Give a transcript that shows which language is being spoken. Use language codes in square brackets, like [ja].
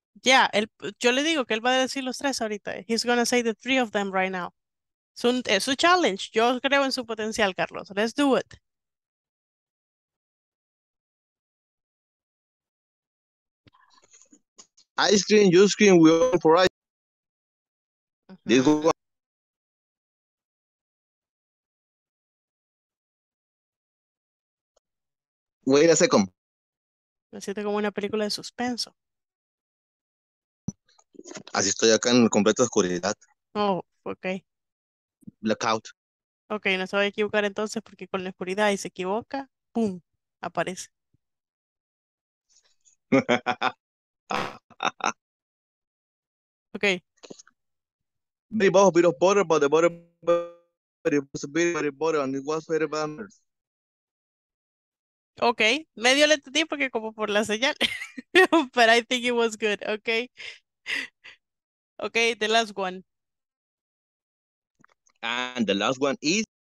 [es] Yeah, yo le digo que él va a decir los tres ahorita. [en] He's gonna say the three of them right now. [es] Es un challenge. Yo creo en su potencial, Carlos. [en] Let's do it. Ice cream, you scream, we all for ice. This one. Wait a second. [es] Me siento como una película de suspenso. Así estoy acá en completa oscuridad. [en] Oh, okay. Blackout. [es] Ok, no se va a equivocar entonces porque con la oscuridad y se equivoca, ¡pum! Aparece. Ok. [en] Me bought a bit of butter, but the butter was a bit of butter and it was very bad. [es] Ok, medio le entendí porque como por la señal. [en] But I think it was good, ok. Ok, the last one. And the last one is